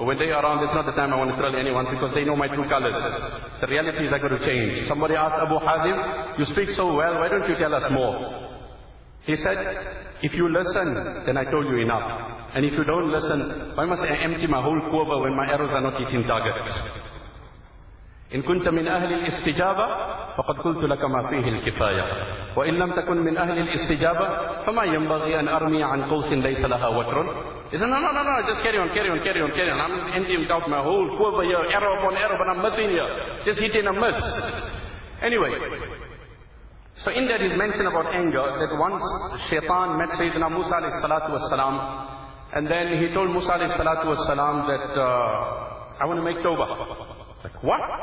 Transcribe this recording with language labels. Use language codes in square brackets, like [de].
[en] But when they are around, it's not the time I want to thrill anyone because they know my true colors. The reality is I got to change. Somebody asked Abu Hadim, you speak so well, why don't you tell us more? He said, if you listen, then I told you enough. And if you don't listen, why must I empty my whole quiver when my arrows are not hitting targets? [ar] إن كنت من أهل الاستجابة فقد قلت لك ما فيه الكفاية وإن لم تكن من أهل الاستجابة فما ينبغي أن أرمي عن قوس ليس لها وتر. [en] He said, no, just carry on. I'm ending out my whole quiver here, arrow upon arrow, but I'm missing here. Just hitting a miss. Anyway, so in that is mentioned about anger, that once Shaitan met Sayyidina Musa alayhi salatu wasalam, and then he told Musa alayhi salatu wasalam that I want to make tawbah. Like, what?